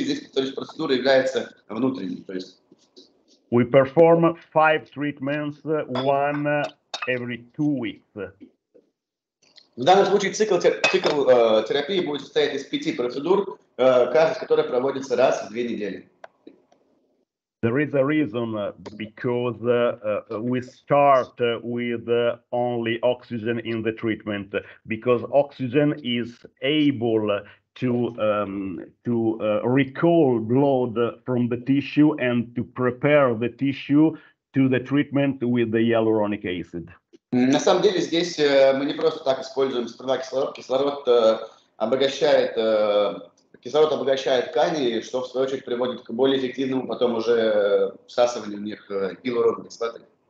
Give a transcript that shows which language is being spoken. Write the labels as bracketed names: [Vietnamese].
[Russian] Здесь, повторюсь, процедура является внутренней. То есть... [English] We perform 5 treatments, one every 2 weeks. [Russian] В данном случае цикл терапии будет состоять из 5 процедур, каждая из которых проводится раз в 2 недели. [English] There is a reason, because we start with only oxygen in the treatment, because oxygen is able to recall blood from the tissue and to prepare the tissue to the treatment with the hyaluronic acid. [Russian] На самом деле здесь мы не просто так используем сперва кислород. Кислород обогащает кислород обогащает ткани, что в свою очередь приводит к более эффективному потом уже всасыванию в них гиалуроновой кислоты.